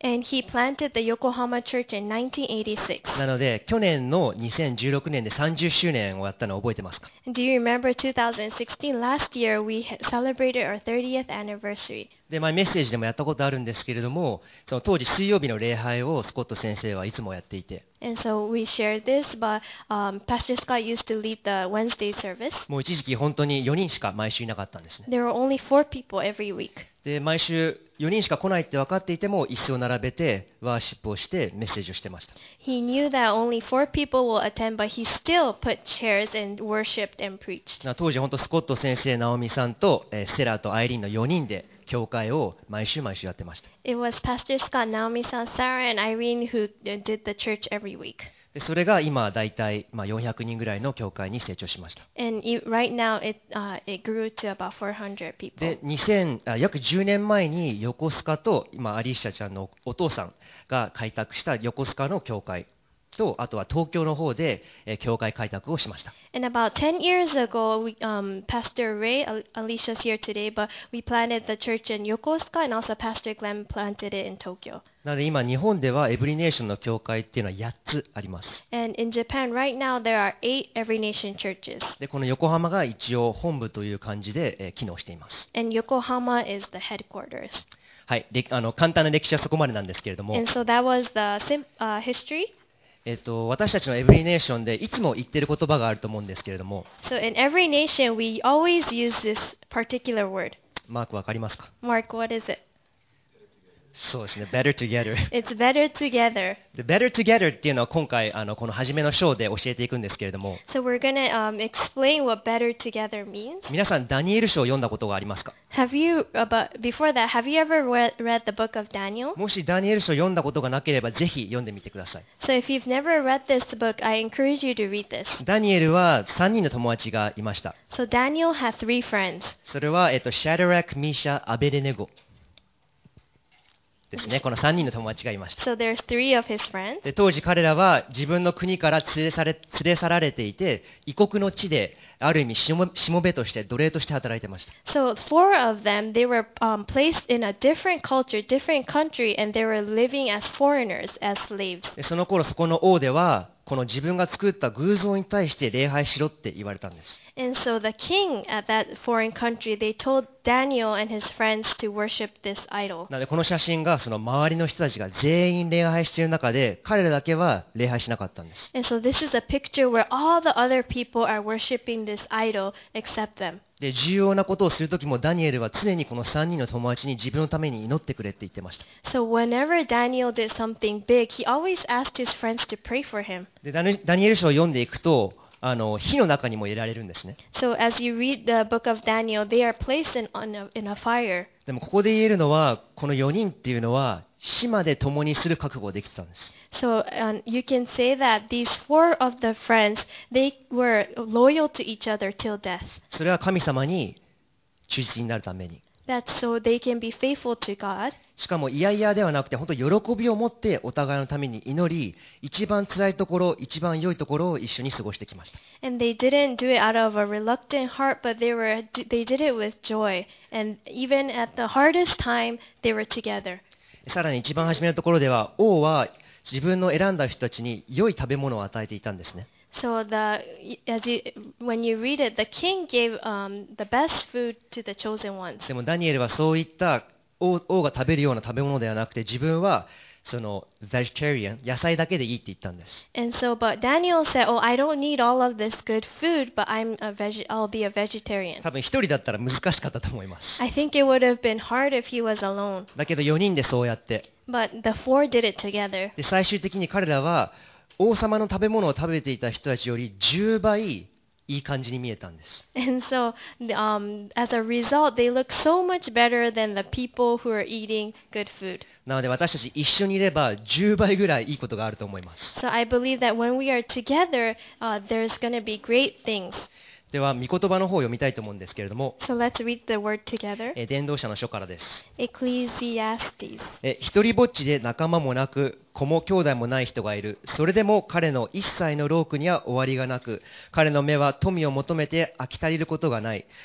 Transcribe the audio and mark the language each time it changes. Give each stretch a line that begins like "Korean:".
English: And he planted the Yokohama Church in 1986.
Japanese: なので、去年の2016年で30周年をやったのを覚えてますか?
English: Do you remember 2016? Last year we celebrated our 30th anniversary.
Japanese: で、前メッセージでもやったことあるんですけれども、その当時水曜日の礼拝をスコット先生はいつもやっていて、
English: And so we shared this, but, Pastor Scott used to lead the Wednesday service.
Japanese: もう一時期本当に4人しか毎週いなかったんですね。
English: There were only 4 people every week.
Japanese: で、毎週4人しか来ないって分かっていても椅子を並べてワーシップをしてメッセージをしてました。
English: He knew that only 4 people will attend, but he still put chairs and worshipped and preached.
Japanese: 当時本当スコット先生、ナオミさんと、セラとアイリンの4人で教会を毎週毎週やってました。
English: It was Pastor Scott, Naomi San, Sarah and Irene who did the church every week.
Japanese: で、それが今だいたい400人ぐらいの教会に成長しました。
English: And right now it grew to about 400 people.
Japanese: で、約10年前に横須賀と今アリシャちゃんのお父さんが開拓した横須賀の教会と、あとは東京の方で教会開拓をしました。
English: And about 10 years ago, Pastor Ray, Alicia's here today, but we planted the church in Yokosuka and also Pastor Glenn planted it in Tokyo.
Japanese: なので今日本ではエブリネーションの教会っていうのは8つあります。
English: And in Japan right now there are 8 Every Nation churches.
Japanese: で、この横浜が一応本部という感じで機能しています。
English: And Yokohama is the headquarters.
Japanese: はい、簡単な歴史はそこまでなんですけれども。
English: And so that was the history.
Japanese: 私たちのエブリネーションでいつも言っている言葉があると思うんですけれども、
English: So in every nation, we always use this particular word.
Japanese: マーク、わかりますか?
English: Mark, what is it?
Japanese: そうですね、Better Together.
English: It's Better Together.
Japanese: The Better Together っていうのは今回この初めの章で教えていくんですけれども、
English: So we're gonna, explain what Better Together means.
Japanese: 皆さん、ダニエル書を読んだことがありますか?
English: Have you, but before that, have you ever read the book of Daniel?
Japanese: もしダニエル書を読んだことがなければ、ぜひ読んでみてください。
English: So if you've never read this book, I encourage you to read this.
Japanese: ダニエルは3人の友達がいました。
English: So Daniel had three friends.
Japanese: それは、シャドラク、ミシャ、アベデネゴ。ですね、この3人の友達がいました。
English: So、there's three of his friends.
Japanese: で、当時彼らは自分の国から連れ去られていて、異国の地である意味しもべとして奴隷として働いてました。
English: So four of them, they were, placed in a different culture, different country, and they were living as foreigners, as slaves.
Japanese: で、その頃そこの王ではこの自分が作った偶像に対して礼拝しろって言われたんです。
English: And so the king at that foreign country, they told Daniel and his friends to worship this idol.
Japanese: なので、この写真がその周りの人たちが全員礼拝している中で、彼らだけは礼拝しなかったんです。
English: And so this is a picture where all the other people are worshiping this idol except them.
Japanese: で、重要なことをするときもダニエルは常にこの3人の友達に自分のために祈ってくれって言ってました。
English: So whenever Daniel did something big, he always asked his friends to pray for him.
Japanese: で、ダニエル書を読んでいくと、火の中にも入れられるんですね。
English: So as you read the book of Daniel, they are placed in a fire.
Japanese: でも、ここで言えるのは、この4人っていうのは死まで共にする覚悟ができてたんです。
English: So, you can say that these four of the friends, they were loyal to each other till death.
Japanese: それは神様に忠実になるために。
English: That's so they can be faithful to God.
Japanese: しかも嫌々ではなくて、本当に喜びを持ってお互いのために祈り、一番辛いところ、一番良いところを一緒に過ごしてきました。
English: And they didn't do it out of a reluctant heart, but they did it with joy. And even at the hardest time, they were together.
Japanese: さらに一番初めのところでは、王は自分の選んだ人たちに良い食べ物を与えていたんですね。
English: So when you read it, the king gave, the best food to the chosen ones.
Japanese: でもダニエルはそういった 王が食べるような食べ物ではなくて、自分はそのvegetarian、野菜だけでいいって言ったんです。
English: And so, but Daniel said, "Oh, I don't need all of this good food, but I'll be a vegetarian."
Japanese: 多分一人だったら難しかったと思います。
English: I think it would have been hard if he was alone.
Japanese: だけど4人でそうやって。
English: But the four did it together.
Japanese: で、最終的に彼らは王様の食べ物を食べていた人たちより10倍いい感じに見えたんです。
English: And so, as a result, they look so much better than the people who are eating good food.
Japanese: なので私たち一緒にいれば10倍ぐらいいいことがあると思います。
English: So I believe that when we are together, there's going to be great things.
Japanese: では御言葉の方を読みたいと思うんですけれども。
English: So let's read the word together.
Japanese: 伝道者の書からです。
English: Ecclesiastes.
Japanese: 一人ぼっちで仲間もなく、子も兄弟もない人がいる。それでも彼の一切の労苦には終わりがなく、彼の目は富を求めて飽き足りることがない。